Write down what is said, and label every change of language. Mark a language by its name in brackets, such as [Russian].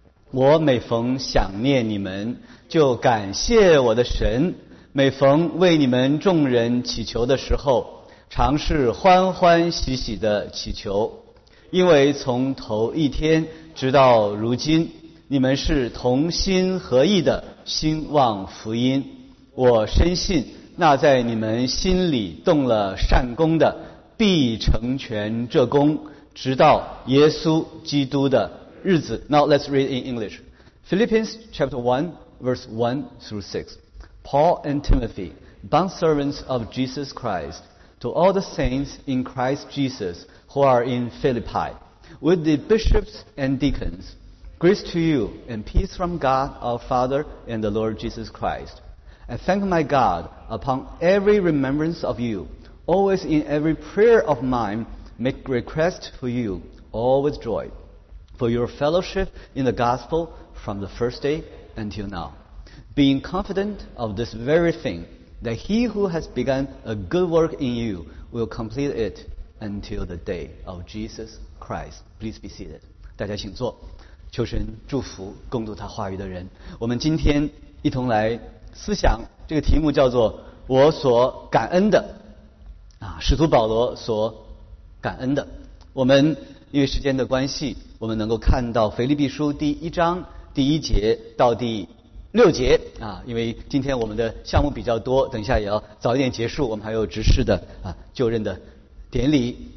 [Chinese] 我每逢想念你们，就感谢我的神，每逢为你们众人祈求的时候，常是欢欢喜喜的祈求，因为从头一天直到如今，你们是同心合意的兴旺福音。我深信那在你们心里动了善功的，必成全这功，直到耶稣基督的日子。 [English] Now let's read in English. Philippians chapter 1, verse 1 through 6. Paul and Timothy, bondservants of Jesus Christ, to all the saints in Christ Jesus who are in Philippi, with the bishops and deacons, grace to you and peace from God our Father and the Lord Jesus Christ. I thank my God upon every remembrance of you, always in every prayer of mine, make request for you, all with joy. For your fellowship in the gospel from the first day until now. Being confident of this very thing, that he who has begun a good work in you will complete it until the day of Jesus Christ. Please be seated. [Chinese] 大家请坐，求神祝福共读他话语的人。我们今天一同来思想，这个题目叫做我所感恩的，使徒保罗所感恩的。我们因为时间的关系，我们能够看到腓立比书第一章第一节到第六节啊，因为今天我们的项目比较多，等一下也要早一点结束，我们还有执事的啊就任的典礼。